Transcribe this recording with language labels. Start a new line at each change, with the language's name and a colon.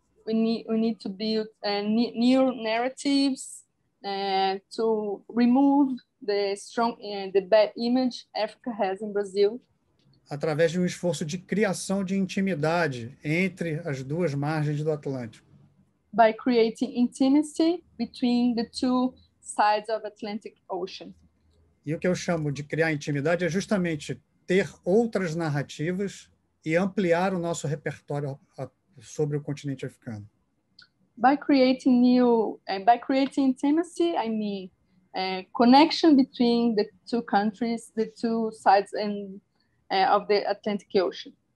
English: We need to build new narratives to remove the strong the bad image Africa has in Brazil.
Portuguese: Através de um esforço de criação de intimidade entre as duas margens do Atlântico.
English: By creating intimacy between the two sides of the Atlantic Ocean.
Portuguese: E o que eu chamo de criar intimidade é justamente ter outras narrativas e ampliar o nosso repertório sobre o continente africano.
English: By creating intimacy, I mean a connection between the two countries, the two sides of the Atlantic Ocean.